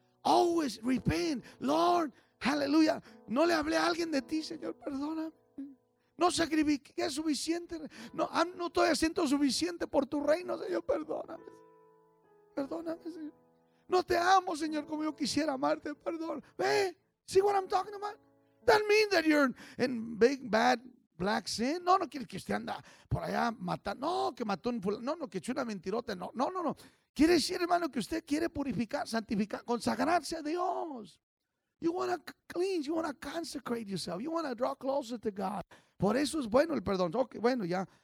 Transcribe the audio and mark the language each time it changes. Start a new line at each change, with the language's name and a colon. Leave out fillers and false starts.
English: Always repent, Lord,
Spanish: aleluya. No le hablé a alguien de ti, Señor, perdóname. No sacrifiqué suficiente. No estoy haciendo suficiente por tu reino, Señor, perdóname. Perdóname, Señor. No te amo, Señor, como yo quisiera amarte, perdón.
English: Ve, see what I'm talking about? That means that you're in big, bad, black sin.
Spanish: No quiere que usted anda por allá matando. No, que mató un fulano. No, que echó una mentirota. No. Quiere decir, hermano, que usted quiere purificar, santificar, consagrarse a Dios.
English: You want to cleanse, you want to consecrate yourself. You want to draw closer to God.
Spanish: Por eso es bueno el perdón. Ok, bueno, ya